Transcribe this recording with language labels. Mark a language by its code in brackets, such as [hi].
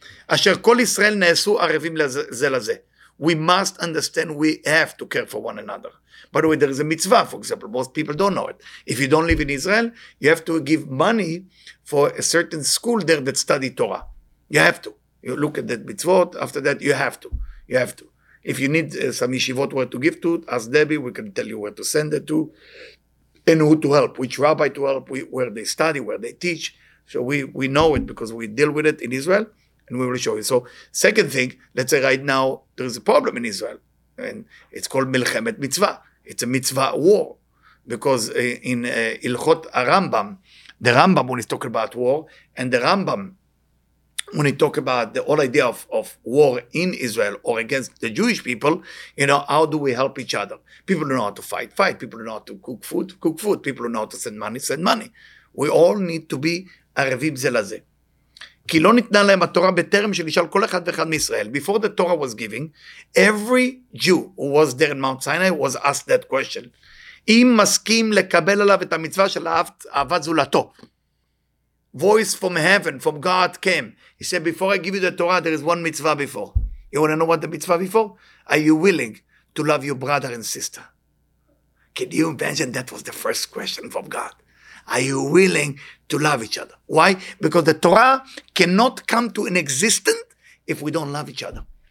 [he] אשר כל ישראל נעשו ערבים זה לזה. [en] We must understand we have to care for one another. By the way, there is a mitzvah, for example. Most people don't know it. If you don't live in Israel, you have to give money for a certain school there that study Torah. You have to. You look at that mitzvot, after that, you have to. You have to. If you need some yeshivot where to give to, ask Debbie, we can tell you where to send it to, and who to help, which rabbi to help, where they study, where they teach. So we know it because we deal with it in Israel, and we will show you. So second thing, let's say right now, there is a problem in Israel, and it's called Milchemet Mitzvah. It's a mitzvah war, because in Ilchot Rambam, the Rambam when he's talking about war, and the Rambam, when you talk about the whole idea of war in Israel or against the Jewish people, you know, how do we help each other? People don't know how to fight. People don't know how to cook food. People don't know how to send money. We all need to be [he] ערבים זה לזה. כי לא ניתנה להם התורה בטרם שנשאל כל אחד ואחד מישראל. [en] Before the Torah was given, every Jew who was there in Mount Sinai was asked that question. [he] אם מסכים לקבל עליו את המצווה של אהבת זולתו. [en] Voice from heaven, from God came. He said, before I give you the Torah, there is one mitzvah before. You want to know what the mitzvah before? Are you willing to love your brother and sister? Can you imagine that was the first question from God? Are you willing to love each other? Why? Because the Torah cannot come to an existence if we don't love each other.